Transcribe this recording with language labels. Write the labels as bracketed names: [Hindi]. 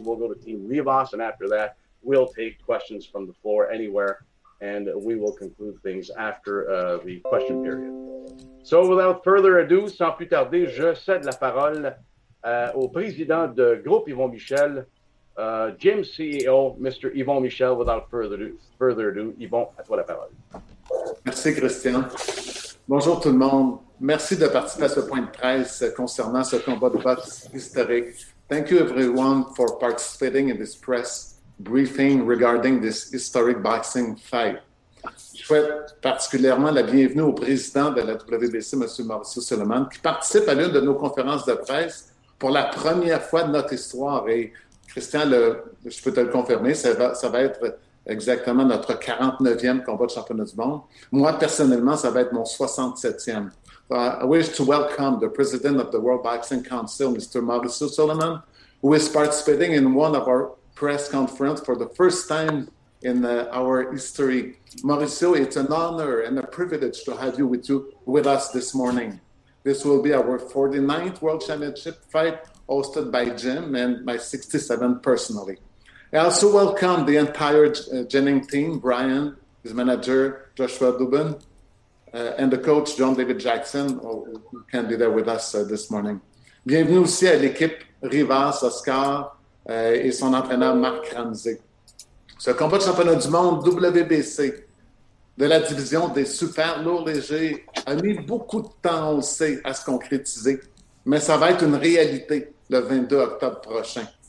[English] We'll go to Team Rivas, and after that, we'll take questions from the floor anywhere, and we will conclude things after the question period. So without further ado, [French] sans plus tarder, je cède la parole au président de Groupe Yvon Michel, Jim CEO, Mr. Yvon Michel. [English] Without further ado, [French] Yvon, à toi la parole. Merci, Christian. Bonjour tout le monde. Merci de participer à ce point de presse concernant ce combat de boxe historique. Thank you everyone for participating in this press briefing regarding this historic boxing fight. Je souhaite particulièrement la bienvenue au président de la WBC, M. Mauricio Suleiman, qui participe à l'une de nos conférences de presse pour la première fois de notre histoire. Et Christian, je peux te le confirmer, ça va être exactement notre 49e combat de championnat du monde. Moi, personnellement, ça va être mon 67e. [English] I wish to welcome the president of the World Boxing Council, Mr. Mauricio Suleiman, who is participating in one of our press conferences for the first time in our history. Mauricio, it's an honor and a privilege to have you with us this morning. This will be our 49th World Championship fight hosted by Jim and my 67th personally. I also welcome the entire Jennings team, Bryant, his manager, Joshua Dubin, and the coach, John David Jackson, who can be there with us this morning. [French] Bienvenue aussi à l'équipe Rivas, Oscar, et son entraîneur Marc Ramsey. Ce combat de championnat du monde WBC de la division des super lourds légers a mis beaucoup de temps, on le sait, à se concrétiser, mais ça va être une réalité le 22 octobre prochain.